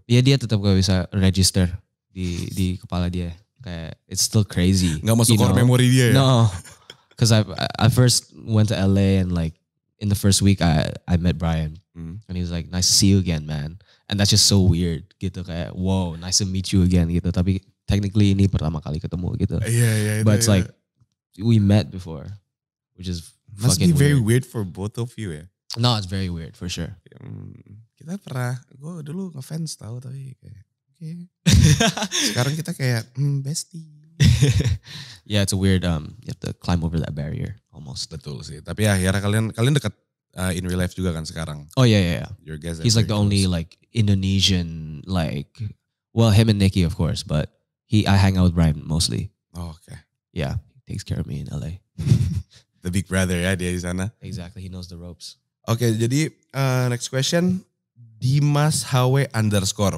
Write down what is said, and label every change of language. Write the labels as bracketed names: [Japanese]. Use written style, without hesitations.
[Indonesian] Iya, dia tetap gak bisa register di kepala dia. [English] Kayak, it's still crazy. [Indonesian] Gak masuk [English] core memory [Indonesian] dia ya? [English] No. Because I first went to LA and like, in the first week I met Brian. Mm. And he was like, nice to see you again, man. And that's just so weird. [Indonesian] Gitu kayak, [English] whoa, nice to meet you again [Indonesian] gitu. Tapi technically ini pertama kali ketemu gitu. [English] Yeah. But it's like, we met before. Which is must be very weird for both of you, yeah. No, it's very weird for sure. [Indonesian] Kita pernah, gue dulu ngefans tau tapi kayak, okay. Sekarang kita kayak, bestie. [English] Yeah, it's a weird. You have to climb over that barrier almost. [Indonesian] Betul sih. Tapi akhirnya kalian dekat [English] in real life [Indonesian] juga kan sekarang. [English] Oh yeah. Your guess. He's like the only like Indonesian like. Well, him and Nikki, of course, but I hang out with Brian mostly. Oh, okay. Yeah, he takes care of me in LA. The big brother [Indonesian] ya dia di sana. [English] Exactly, he knows the ropes. Okay, jadi next question. Dimas Hawe underscore.